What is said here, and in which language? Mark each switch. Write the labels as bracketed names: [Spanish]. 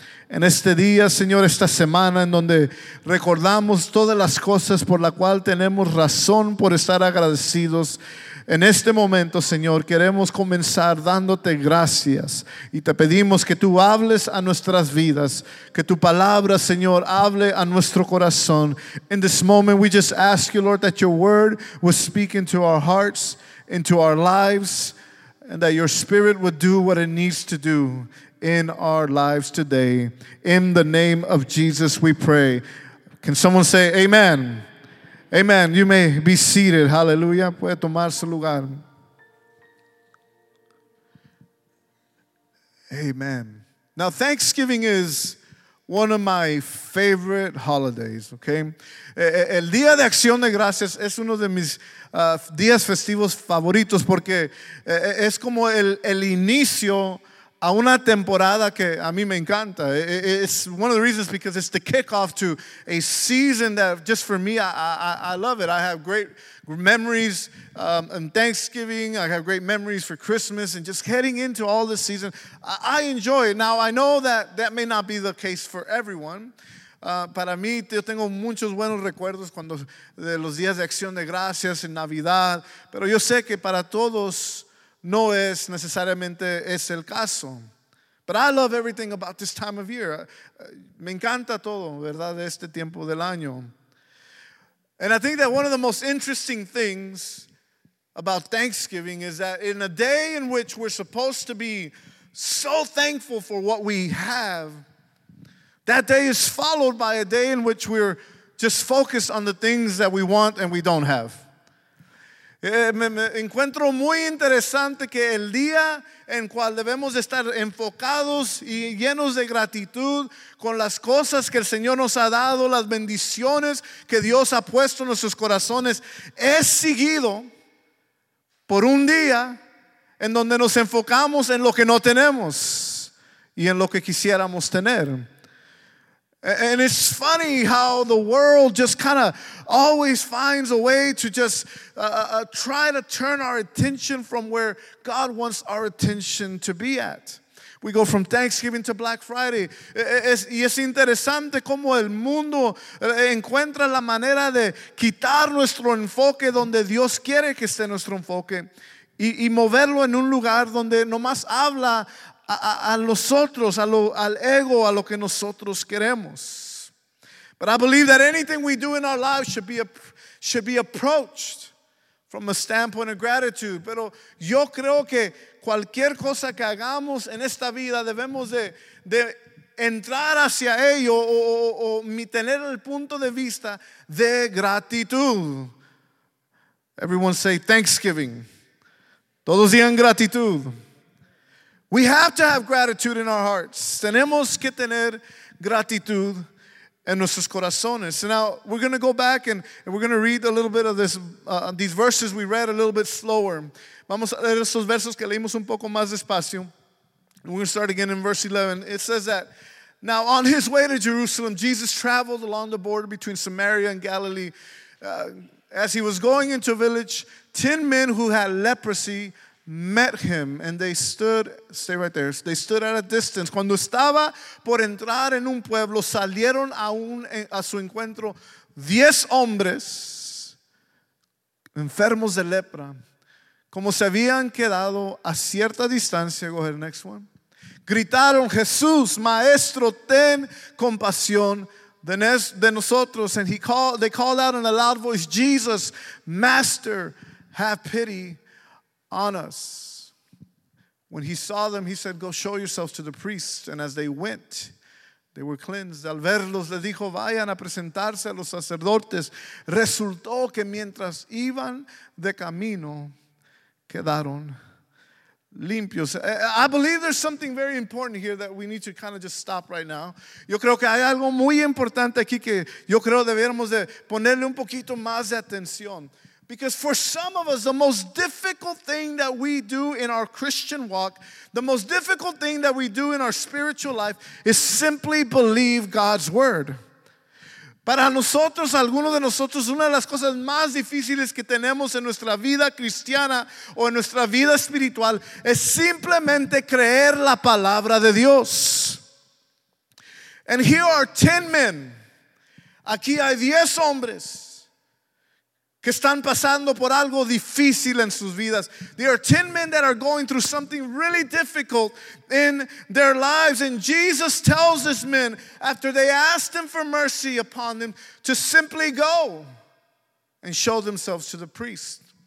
[Spanish] En este día, Señor, esta semana en donde recordamos todas las cosas por la cual tenemos razón por estar agradecidos. En este momento, Señor, queremos comenzar dándote gracias y te pedimos que tú hables a nuestras vidas, que tu palabra, Señor, hable a nuestro corazón. [English] In this moment, we just ask you, Lord, that your word would speak into our hearts, into our lives, and that your spirit would do what it needs to do in our lives today. In the name of Jesus, we pray. Can someone say amen? Amen. You may be seated. Hallelujah. [Spanish] Puede tomar su lugar. [English] Amen. Now, Thanksgiving is one of my favorite holidays, okay? [Spanish] El Día de Acción de Gracias es uno de mis días festivos favoritos porque es como el inicio a una temporada que a mí me encanta. [English] It's one of the reasons because it's the kickoff to a season that just for me, I love it. I have great memories and Thanksgiving. I have great memories for Christmas and just heading into all this season. I enjoy it. Now, I know that may not be the case for everyone. [Spanish] Para mí, yo tengo muchos buenos recuerdos cuando de los días de Acción de Gracias en Navidad. Pero yo sé que para todos no es necesariamente es el caso. [English] But I love everything about this time of year. [Spanish] Me encanta todo, ¿verdad?, de este tiempo del año. [English] And I think that one of the most interesting things about Thanksgiving is that in a day in which we're supposed to be so thankful for what we have, that day is followed by a day in which we're just focused on the things that we want and we don't have. [Spanish] Me encuentro muy interesante que el día en cual debemos estar enfocados y llenos de gratitud con las cosas que el Señor nos ha dado, las bendiciones que Dios ha puesto en nuestros corazones, es seguido por un día en donde nos enfocamos en lo que no tenemos y en lo que quisiéramos tener. [English] And it's funny how the world just kind of always finds a way to just try to turn our attention from where God wants our attention to be at. We go from Thanksgiving to Black Friday. [Spanish] Y es interesante cómo el mundo encuentra la manera de quitar nuestro enfoque donde Dios quiere que esté nuestro enfoque y moverlo en un lugar donde nomás habla a nosotros, al ego, a lo que nosotros queremos. [English] But I believe that anything we do in our lives should be approached from a standpoint of gratitude. [Spanish] Pero yo creo que cualquier cosa que hagamos en esta vida debemos de entrar hacia ello o tener el punto de vista de gratitud. [English] Everyone say Thanksgiving. [Spanish] Todos digan gratitud. [English] We have to have gratitude in our hearts. [Spanish] Tenemos que tener gratitud en nuestros corazones. [English] So now we're going to go back and we're going to read a little bit of this, these verses we read a little bit slower. [Spanish] Vamos a leer esos versos que leímos un poco más despacio. [English] We're going to start again in verse 11. It says that, now on his way to Jerusalem, Jesus traveled along the border between Samaria and Galilee. As he was going into a village, 10 men who had leprosy met him, and they stood, stay right there, they stood at a distance. [Spanish] Cuando estaba por entrar en un pueblo, salieron a su encuentro 10 hombres enfermos de lepra, como se habían quedado a cierta distancia. [English] Go ahead, next one. [Spanish] Gritaron, Jesús, Maestro, ten compasión de nosotros. [English] And they called out in a loud voice, Jesus, Master, have pity on us. When he saw them, he said, go show yourselves to the priest. And as they went, they were cleansed. [Spanish] Al verlos, les dijo, vayan a presentarse a los sacerdotes. Resultó que mientras iban de camino, quedaron limpios. [English] I believe there's something very important here that we need to kind of just stop right now. [Spanish] Yo creo que hay algo muy importante aquí que yo creo debiéramos de ponerle un poquito más de atención. [English] Because for some of us, the most difficult thing that we do in our Christian walk, the most difficult thing that we do in our spiritual life is simply believe God's word. [Spanish] Para nosotros, algunos de nosotros, una de las cosas más difíciles que tenemos en nuestra vida cristiana o en nuestra vida espiritual es simplemente creer la palabra de Dios. [English] And here are 10 men. [Spanish] Aquí hay 10 hombres que están pasando por algo difícil en sus vidas. [English] There are 10 men that are going through something really difficult in their lives. And Jesus tells these men, after they asked him for mercy upon them, to simply go and show themselves to the priest.